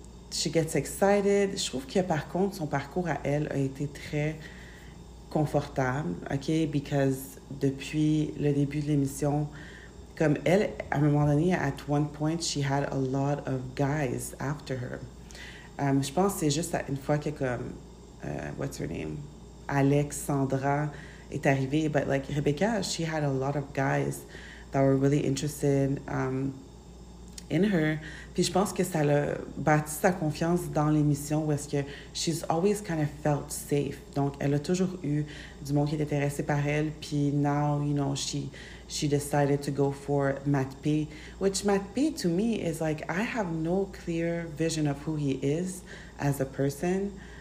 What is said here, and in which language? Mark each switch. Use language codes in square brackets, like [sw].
[en] She gets excited. [fr] Je trouve que, par contre, son parcours à elle a été très confortable, OK? [en] Because [fr] depuis le début de l'émission, comme elle, à un moment donné, [en] at one point, she had a lot of guys after her. [fr] Je pense que c'est juste une fois que, comme, [en] what's her name? [fr] Alexandra est arrivée. [en] But, like, Rebecca, she had a lot of guys that were really interested. in her. [fr] Puis je pense que ça l'a bâti sa confiance dans l'émission où est-ce que [en] she's always kind of felt safe. [fr] Donc, elle a toujours eu du monde qui est intéressé par elle. [en] Puis now, you know, she decided to go for Matt P. Which Matt P, to me, is like, I have no clear vision of who he is as a person.